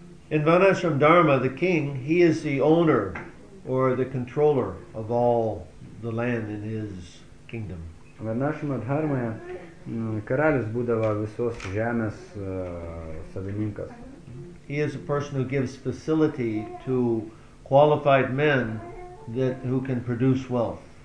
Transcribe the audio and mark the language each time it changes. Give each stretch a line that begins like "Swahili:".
English: In Varnashram Dharma, the king, he is the owner or the controller of all the land in his kingdom.
Lithuanian: Varnashrama dharmoje karalius būdavo visos žemės savininkas.
English: He is a person who gives facility to qualified men that who can produce wealth.